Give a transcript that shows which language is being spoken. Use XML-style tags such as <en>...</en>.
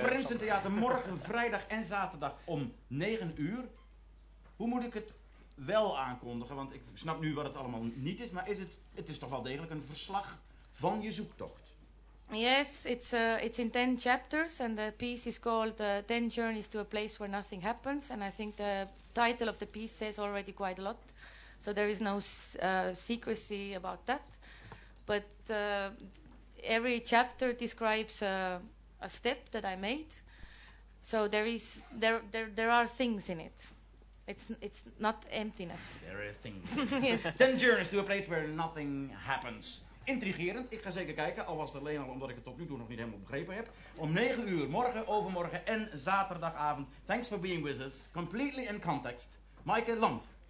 <nl>Prinsentheater, morgen, vrijdag en zaterdag om 9 uur. Hoe moet ik het wel aankondigen, want ik snap nu wat het allemaal niet is, maar het is toch wel degelijk een verslag van je zoektocht.</nl> <en>Yes, it's in 10 chapters and the piece is called 10 Journeys to a Place Where Nothing Happens, and I think the title of the piece says already quite a lot, so there is no secrecy about that. But every chapter describes a step that I made, so there are things in it. It's not emptiness. There are things. Yes. 10 Journeys to a Place Where Nothing Happens.</en> <nl>Intrigerend. Ik ga zeker kijken, al was het alleen al omdat ik het tot nu toe nog niet helemaal begrepen heb. Om 9 uur, morgen, overmorgen en zaterdagavond.</nl> <en>Thanks for being with us. Completely in context. Maaike Land.</en>